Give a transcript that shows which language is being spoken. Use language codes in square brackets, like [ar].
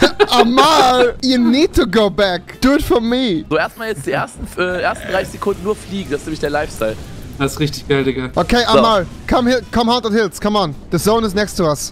[en] Amar, you need to go back, do it for me. [de] So, erstmal jetzt die ersten 30 Sekunden nur fliegen, das ist nämlich der Lifestyle. Das ist richtig geil, Digga. [en] Okay, Amar, so. come 100 Hills, come on, the zone is next to us.